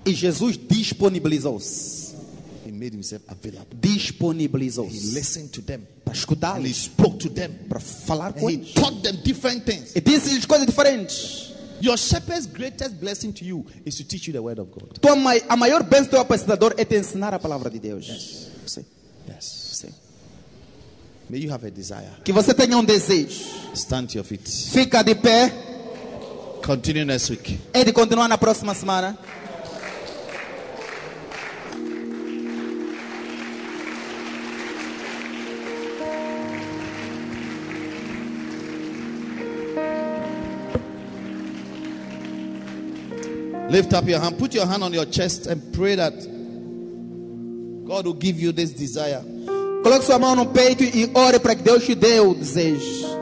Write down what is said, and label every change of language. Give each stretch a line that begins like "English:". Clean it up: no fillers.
Portuguese: E Jesus disponibilizou-se.
English: He made himself available.
Portuguese: Disponibilizou-se.
English: He listened to them.
Portuguese: Para escutá-los.
English: And he spoke to them.
Portuguese: Para falar
English: and
Portuguese: com
English: he
Portuguese: eles.
English: He taught them different things.
Portuguese: E disse-lhes coisas diferentes.
English: Your shepherd's greatest blessing to you is to teach you the word of God.
Portuguese: A maior bênção do teu apacentador é te ensinar a palavra de Deus.
English: Yes.
Portuguese: Sim.
English: Yes.
Portuguese: Sim.
English: May you have a desire.
Portuguese: Que você tenha desejo.
English: Stand to your feet.
Portuguese: Fica de pé.
English: Continue next week.
Portuguese: É de continuar na próxima semana.
English: Lift up your hand. Put your hand on your chest and pray that God will give you this desire.
Portuguese: Coloque sua mão no peito e ore para que Deus te dê o desejo.